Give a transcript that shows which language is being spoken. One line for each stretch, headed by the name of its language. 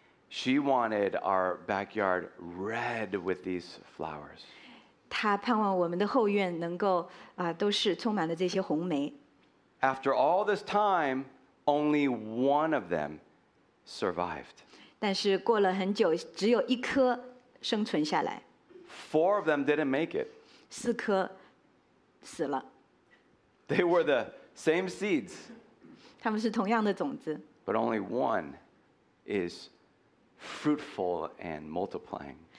English: She wanted our backyard red with these flowers.
Chinese: 她盼望我们的后院能够, 都是充满了这些红梅。
English: After all this time, only one of them survived.
Chinese: 但是过了很久, 只有一棵生存下来。
English: 4 of them didn't make it.
Chinese: 四棵死了。
English: They were the same seeds.
Chinese: 他们是同样的种子。
English: But only one is fruitful and multiplying.